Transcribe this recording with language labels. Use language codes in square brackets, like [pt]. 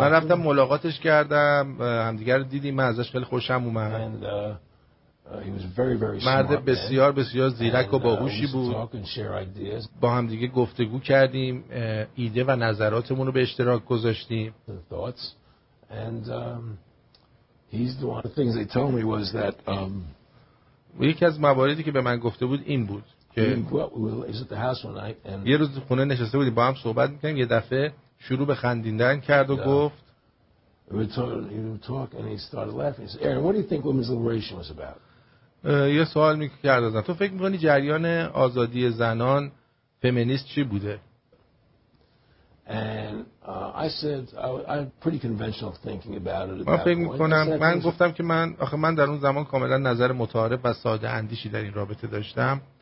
[fa] من رفتم ملاقاتش کردم. همدیگر رو دیدیم. من ازش خیلی خوشم اومد. [en] And he was very very smart. [fa] مرد بسیار بسیار زیرک و باهوشی بود. با هم دیگه گفتگو کردیم. ایده و نظراتمون رو به اشتراک گذاشتیم. [en] Thoughts. And he's the one of the things they told me was that [fa] یکی از مواردی که به من گفته بود این بود که یه روز خونه نشسته بودیم با هم صحبت میکنیم، یه دفعه شروع به خندیدن کرد و گفت یه سوال میکرد ازم، تو فکر میکنی جریان آزادی زنان فمینیست چی بوده؟ [en] And I said I'm pretty conventional thinking about it. [fa] من فکر می‌کنم من گفتم که من آخه من در اون زمان کاملا نظر متعارف و ساده اندیشی در این رابطه داشتم.